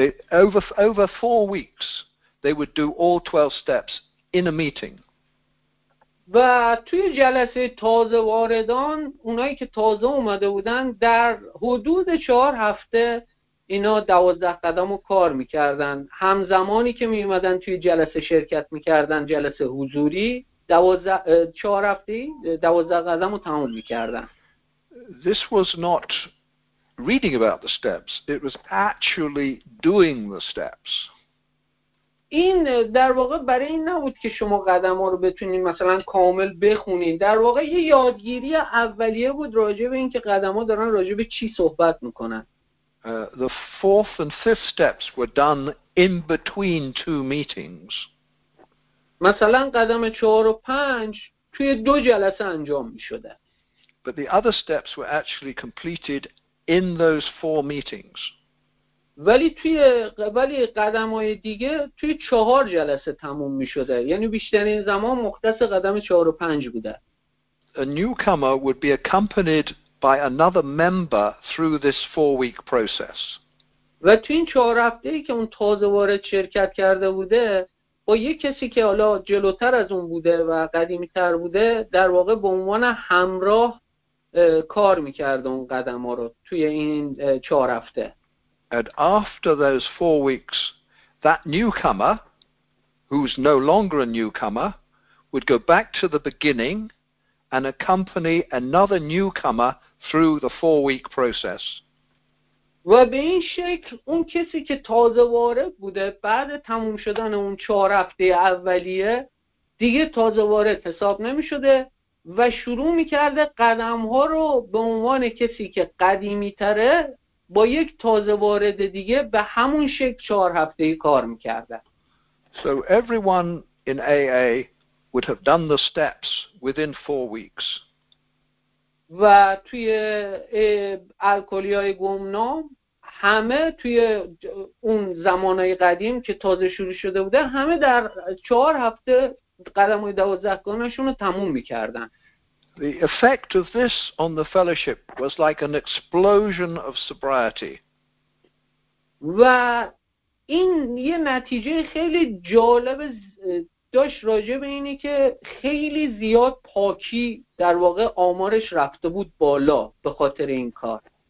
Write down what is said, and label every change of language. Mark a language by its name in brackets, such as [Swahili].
[English] So over 4 weeks they would do all 12 steps in a meeting. [Persian] و توی جلسه تازه واردان، اونایی که تازه اومده بودن، در حدود 4 هفته اینا 12 قدم رو کار میکردن. همزمانی که میومدن توی جلسه شرکت میکردن، جلسه حضوری، 4 هفته 12 قدم رو تمام میکردن. [English] This was not reading about the steps, it was actually doing the steps. [Persian] این در واقع برای این نبود که شما قدم‌ها رو بتونید مثلا کامل بخونید، در واقع یه یادگیری اولیه بود راجع به اینکه قدم‌ها دارن راجع به چی صحبت می‌کنن. [English] The fourth and fifth steps were done in between two meetings. [Persian] مثلا قدم 4 و 5 توی 2 جلسه انجام می‌شده. [English] But the other steps were actually completed in those 4 meetings. [Persian] ولی قدم‌های دیگه توی 4 جلسه تموم می‌شده، یعنی بیشترین زمان مختص قدم 4 و 5 بوده. [English] A newcomer would be accompanied by another member through this 4-week process. [Persian] و توی این 4 هفته‌ای که اون تازه وارد شرکت کرده بوده، با یه کسی که حالا جلوتر از اون بوده و قدیمی‌تر بوده، در واقع به عنوان همراه کار می‌کرد اون قدم‌ها رو توی این 4 هفته. [English] And after those 4 weeks, that newcomer, who's no longer a newcomer, would go back to the beginning and accompany another newcomer through the 4-week process. [Persian] و به این شکل اون کسی که تازه وارد بوده، بعد تموم شدن اون 4 هفته اولیه دیگه تازه وارد حساب نمی شده و شروع می کرده قدم ها رو به عنوان کسی که قدیمی تره با یک تازه وارد دیگه به همون شکل 4 هفته کار می‌کردن. [English] So everyone in AA would have done the steps within 4 weeks. [Persian] و توی الکلی‌های گمنام همه توی اون زمانای قدیم که تازه شروع شده بوده همه در 4 هفته قدم‌های 12 گانه‌شون رو تموم می‌کردن. [English] The effect of this on the fellowship was like an explosion of sobriety. [Persian] و این یه نتیجه خیلی جالب داشت راجع به اینی که خیلی زیاد پاکی در واقع آمارش رفته بود بالا به خاطر این کار.